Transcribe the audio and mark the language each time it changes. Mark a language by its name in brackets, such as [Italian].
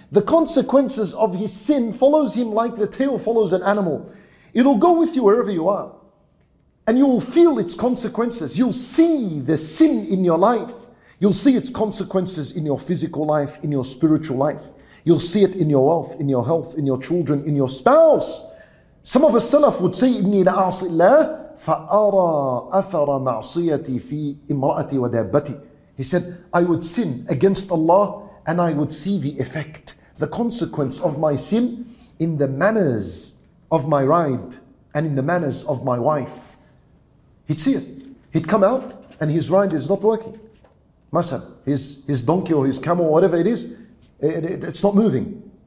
[English] The consequences of his sin follows him like the tail follows an animal. It'll go with you wherever you are. And you will feel its consequences. You'll see the sin in your life. You'll see its consequences in your physical life, in your spiritual life. You'll see it in your wealth, in your health, in your children, in your spouse. Some of us salaf would say, [Arabic] إِنِّي لَعَصِ اللَّهِ فَأَرَى أَثَرَ مَعْصِيَتِي فِي إِمْرَأَتِي وَدَابَّتِي. [English] He said, I would sin against Allah and I would see the effect, the consequence of my sin in the manners of my ride and in the manners of my wife. He'd see it. He'd come out and his ride is not working. Masal, his donkey or his camel, whatever it is, it's not moving.